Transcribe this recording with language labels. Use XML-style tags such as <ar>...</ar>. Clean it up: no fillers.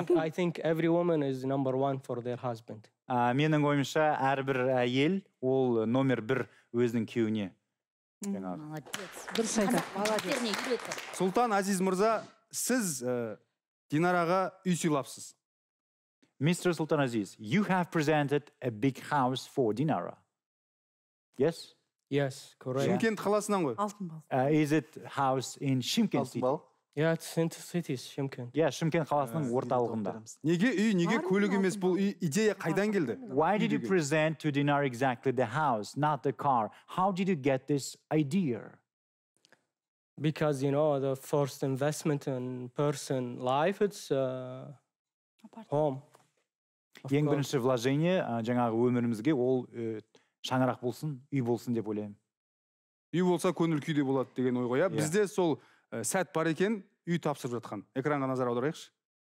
<en>I think every woman is number one for their husband.</en> <kk>Менің ойымша әрбір әйел ол номер бір өзінің күйеуіне. Дұрыс айтады. Сұлтан Азиз Мырза, сіз Динараға үй сыйлапсыз.</kk> <en>Mr. Sultan Aziz, you have presented a big house for Dinara. Yes? Yes, correct.</en> <kk>Шымкент қаласынан ғой. Алтынбал.</kk> <en>Is it house in Шымкент?</en> <kk>Алтынбал.</kk> <en>Yeah, it's in the cities, Шымкент.</en> <kk>Yeah, Шымкент қаласының орталығында. Неге үй, неге көлік емес? Бұл идея қайдан келді? Why did you present to Dinara exactly the house, not the car? How did you get this idea? Because, you know, the first investment in person life, it's home. Ең бірінші вложение жаңағы өмірімізге ол шаңырақ болсын, үй болсын деп ойлаймын. Үй болса көңіл күйде болады деген ой ғой. Бізде сол сәт бар екен, үй тапсырып жатқан. Экранға назар аударайықшы.</kk>